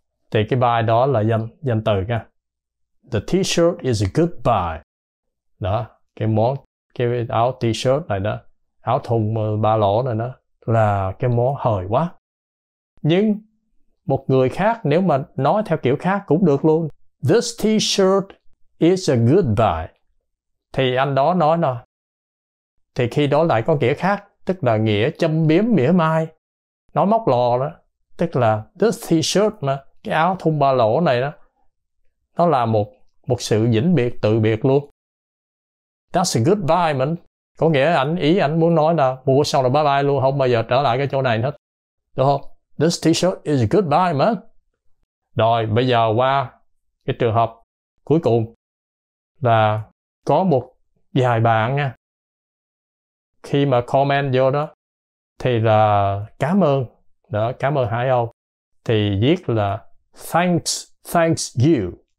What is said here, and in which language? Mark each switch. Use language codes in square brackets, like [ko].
[vi] Thì cái buy đó là danh từ nha. [en] The t-shirt is a good buy. [vi] Đó, cái món, cái áo t-shirt này đó, áo thùng ba lỗ này đó, là cái món hời quá. Nhưng một người khác nếu mà nói theo kiểu khác cũng được luôn. [en] This t-shirt is a good buy. [vi] Thì anh đó nói nè. Thì khi đó lại có nghĩa khác, tức là nghĩa châm biếm mỉa mai, nói móc lò đó. Tức là [en] this t-shirt [vi] mà, cái áo thun ba lỗ này đó, nó là một sự vĩnh biệt, từ biệt luôn. [en] That's a good buy, [vi] mình. Có nghĩa ảnh, ý ảnh muốn nói là mua xong là bye bye luôn, không bao giờ trở lại cái chỗ này hết. Đúng không? [en] This t-shirt is a good buy, man. [vi] Rồi, bây giờ qua cái trường hợp cuối cùng là có một vài bạn nha. Khi mà comment vô đó, thì là cảm ơn. Đó, cảm ơn Hải Âu. Thì viết là [en] thanks you.